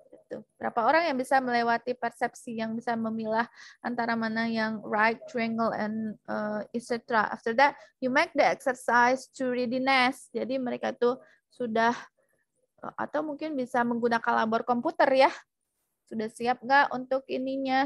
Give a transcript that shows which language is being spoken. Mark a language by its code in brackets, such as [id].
[id] Berapa orang yang bisa melewati persepsi, yang bisa memilah antara mana yang [en] right triangle and etc. After that, you make the exercise to readiness. [id] Jadi mereka tuh sudah, atau mungkin bisa menggunakan labor komputer ya. Sudah siap nggak untuk ininya?